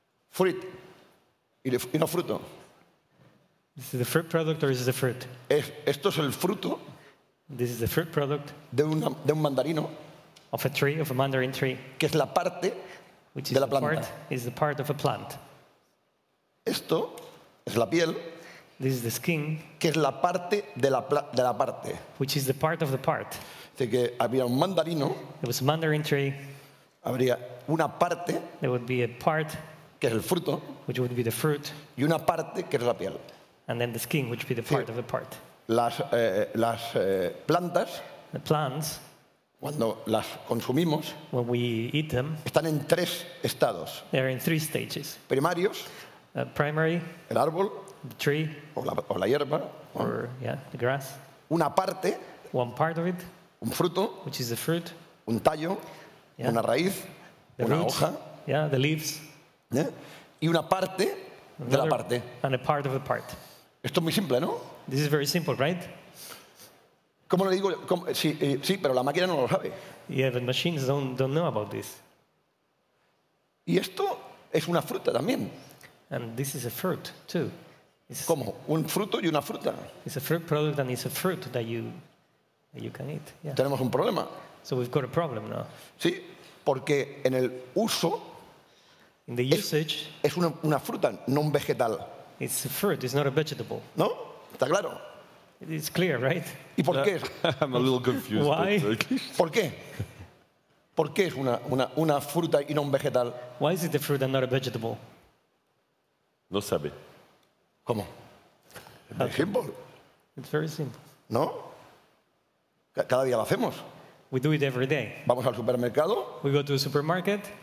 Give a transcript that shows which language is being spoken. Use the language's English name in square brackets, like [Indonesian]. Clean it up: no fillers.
[Spanish] Fruit. ¿Y no fruto? [English] Is it the fruit product or is it the fruit? [Spanish] Esto es el fruto. [English] This is the fruit product. [Spanish] De un mandarino. [English] Of a tree, of a mandarin tree. [Spanish] Que es la parte [English] which [Spanish] de la planta. [English] Part, is the part of a plant. [Spanish] Esto es la piel. [English] This is the skin, [Spanish] que es la parte de la parte. [English] Which is the part of the part. [Spanish] De que había un mandarino. [English] There was a mandarin tree. [Spanish] Habría una parte. [English] There would be a part. [Spanish] Que es el fruto. [English] Which would be the fruit. [Spanish] Y una parte que es la piel. [English] And then the skin, which would be the part of the part. [Spanish] Las plantas. [English] The plants. [Spanish] Cuando las consumimos. [English] When we eat them. [Spanish] Están en tres estados. [English] They are in three stages. [Spanish] Primarios. [English] Primary. [Spanish] El árbol. [English] The tree, [Spanish] o la hierba, [English] or the grass, [Spanish] una parte, [English] one part of it, [Spanish] un fruto, [English] which is a fruit, [Spanish] un tallo, yeah, una raíz, [English] the [Spanish] una [English] root, [Spanish] hoja, [English] yeah, the leaves, [Spanish] yeah, y una parte another, de la parte. [English] And a part of a part. [Spanish] Esto es muy simple, ¿no? [English] This is very simple, right? [Spanish] ¿Cómo le digo? ¿Cómo? Sí, sí, pero la máquina no lo sabe. [English] Yeah, but machines don't know about this. [Spanish] Y esto es una fruta también. [English] And this is a fruit too. [Spanish] It's ¿cómo? Un fruto y una fruta. [English] It's a fruit product and it's a fruit that you can eat. Yeah. [Spanish] Tenemos un problema. [English] So we've got a problem now. [Spanish] Sí, porque en el uso, [English] in the usage, [Spanish] es una fruta, no un vegetal. [English] It's a fruit. It's not a vegetable. [Spanish] ¿No? Está claro. [English] It's clear, right? [Spanish] ¿Y por qué? [English] I'm a little confused. Why? [Spanish] ¿Por qué? ¿Por qué es una fruta y no un vegetal? Why is it a fruit and not a vegetable? No sabe. ¿Cómo? Es simple. [English] It's very simple. [Spanish] ¿No? Cada día lo hacemos. [English] We do it every day. [Spanish] Vamos al supermercado. [English] We go to the supermarket.